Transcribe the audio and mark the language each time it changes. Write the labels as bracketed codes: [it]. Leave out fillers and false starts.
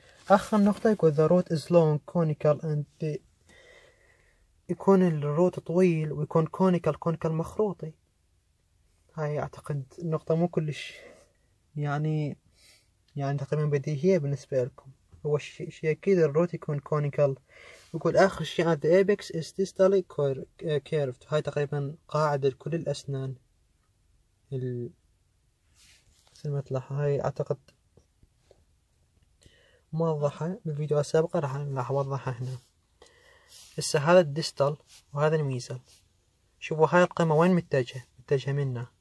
[ar] اخر نقطة يقول [en] the root is long conical and [ar] يكون الروت طويل ويكون كونيكال مخروطي. هاي اعتقد النقطة مو كلش يعني تقريبا بديهية بالنسبة لكم. هو شيء اكيد الروت يكون كونيكال. يقول اخر شيء [en] at the apex is distally curved. [ar] هاي تقريبا قاعدة لكل الاسنان مثل ما تلاحظ. هاي اعتقد موضحة بالفيديو السابق، راح نلاحظ اوضحها هنا. هسه هذا الديستال وهذا الميزل. شوفوا هاي القمة وين متجهة، متجهة منا.